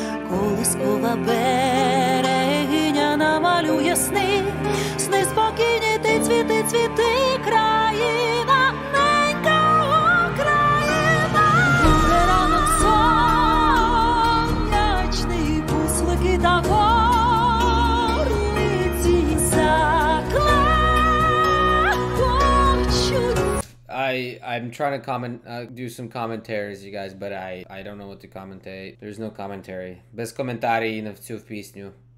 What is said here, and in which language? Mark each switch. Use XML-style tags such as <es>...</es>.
<uk>Колискова берегиня намалює сни, сни спокійні, ти цвіти, цвіти, країна, ненька Україна. Буде ранок сонячний, буслики та горниці заклекочуть.</uk> <en>I'm trying to do some commentaries, you guys, but I don't know what to commentate. There's no commentary.</en> <uk>Без коментарів на цю пісню.</uk>